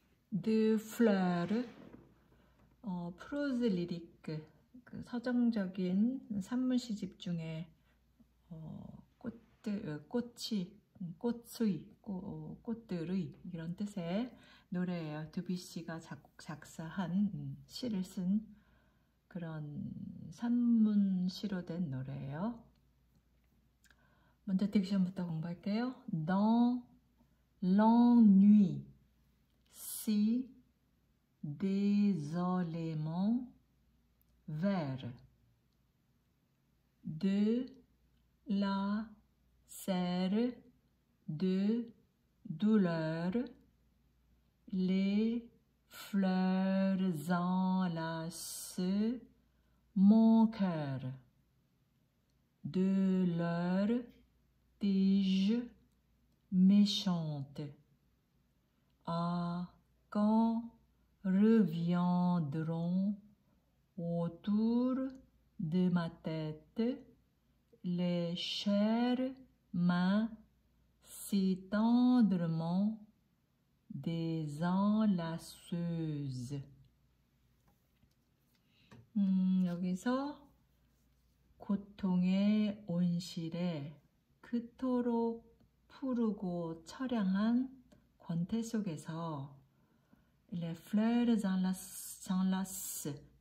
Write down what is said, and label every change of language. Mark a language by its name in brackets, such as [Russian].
[Korean] 느 플라르 프로즈 리리크 그 서정적인 산문 시집 중에 꽃이 꽃의 꽃들의 이런 뜻의 노래예요. 두뷔시가 작사한 시를 쓴 그런 산문시로 된 노래예요. 먼저 딕션부터 공부할게요. [French] Dans l'ennui. Si désolément vert de la serre de douleur les fleurs enlacent mon cœur de leurs tiges méchantes à Quand reviendront autour de ma tête les chères mains si tendrement désenlaceuses? [Korean] 여기서 고통의 온실에 그토록 푸르고 처량한 권태 속에서 [French] Les fleurs enlacent.